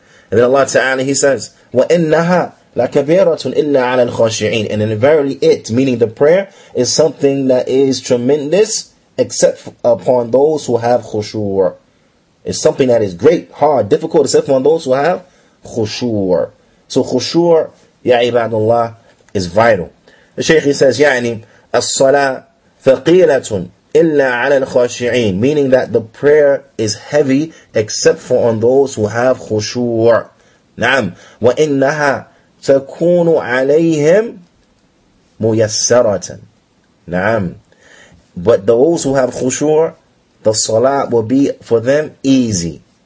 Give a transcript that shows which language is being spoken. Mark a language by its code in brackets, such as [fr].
[en] And then Allah Ta'ala, he says, وَإِنَّهَا لَكَبِيرَةٌ إِلَّا عَلَى الْخَاشِعِينَ. And in verily it, meaning the prayer, is something that is tremendous except upon those who have khushu'. It's something that is great, hard, difficult, except upon those who have khushu'. So khushu', ya ibadullah, is vital. [ar] The Shaykh, he says, يعني الصلاة ثقيلة إلا على الخاشعين. [en] Meaning that the prayer is heavy except for on those who have khushu'. [ar] نعم. وإنها تكون عليهم ميسرة. نعم. [en] But those who have khushu', the salah will be for them easy.